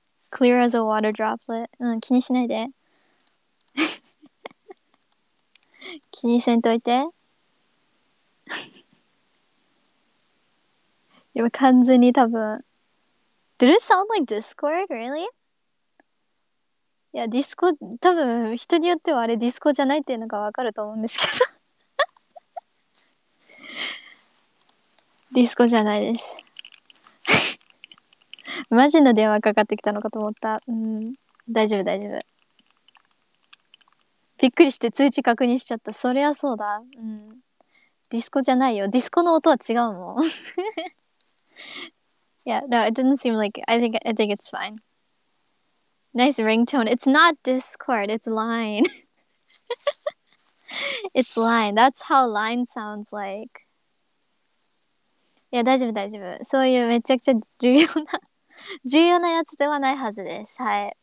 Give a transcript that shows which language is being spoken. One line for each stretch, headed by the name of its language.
English: Clear as a water droplet.
Japanese: うん、気にしないで。気にせんといて。今完全に多分。
English: Did it sound like Discord, really?
Japanese: Yeah, Discord, 多分人によってはあれ Discord じゃないっていうのがわかると思うんですけど。 Discord じゃないです。マジの電話かかってきたのかと思った。うん、大丈夫大丈夫。びっくりして通知確認しちゃった。そりゃそうだ。うん、Discord じゃないよ。Discord の音は違うもん。
English: Yeah, no, it didn't seem like it. I think it's fine. Nice ringtone. It's not Discord, it's Line. It's Line. That's how Line sounds like.
Japanese: Yeah, 大丈夫大丈夫。そういうめちゃくちゃ重要なやつではないはずです。はい。